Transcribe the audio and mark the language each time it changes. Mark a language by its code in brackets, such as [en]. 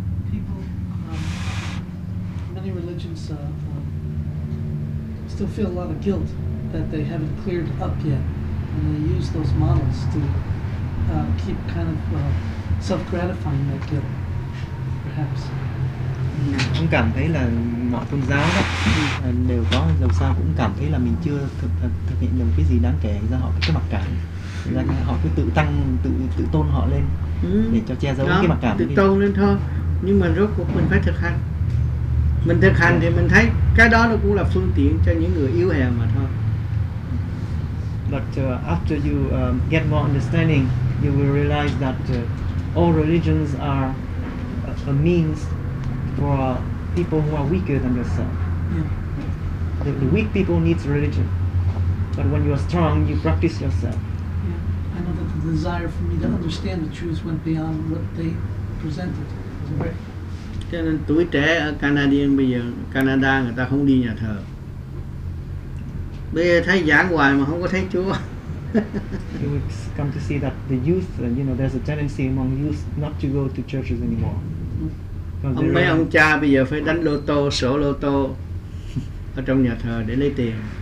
[en] People, many religions still feel a lot of guilt that they haven't cleared up yet. And they use those models to keep kind of self-gratifying that guilt, perhaps. [vi] Cũng cảm thấy là mọi tôn giáo đó đều có dầu sao cũng cảm thấy là mình chưa thực hiện được cái gì đáng kể ra họ cái mặc cảm ra họ cứ tự tăng tự tôn họ lên để cho che giấu đó, cái mặc cảm tự tôn lên thôi nhưng mà rốt cuộc mình phải thực hành mình thực hành thì mình thấy cái đó nó cũng là phương tiện cho những người yếu hèn mà thôi [en] But after you get more understanding, you will realize that all religions are a means for people who are weaker than yourself. Yeah. The weak people need religion. But when you are strong, you practice yourself. Yeah. I know that the desire for me to understand the truth went beyond what they presented. [vi] Cho nên tuổi trẻ ở Canadian bây giờ, Canada người ta không đi nhà thờ. Bây giờ thấy giảng hoài mà không có thấy Chúa. [en] You will come to see that the youth, you know, there's a tendency among youth not to go to churches anymore. [vi] Ông mấy ông cha bây giờ phải đánh lô tô, sổ lô tô ở trong nhà thờ để lấy tiền.